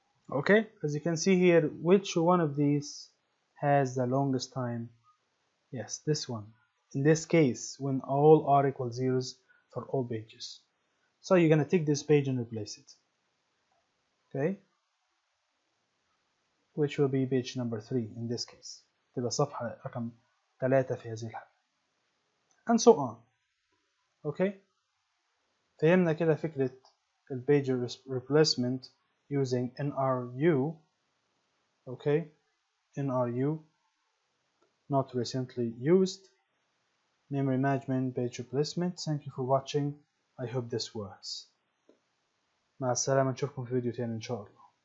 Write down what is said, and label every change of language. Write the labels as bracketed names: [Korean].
[English] Okay, as you can see here, which one of these has the longest time? Yes, this one. In this case, when all r equals zeros for all pages. So you're gonna take this page and replace it. Okay? Which will be page number 3 in this case. [Arabic] تبقى صفحة رقم 3 في هذه الحالة. [English] And so on. Okay? [Arabic] فهمنا كده فكرة الـ page replacement using NRU. Okay? NRU. [English] Not recently used memory management page replacement. Thank you for watching. I hope this works. [Arabic] مع السلامة, نشوفكم في فيديو تاني إن شاء الله.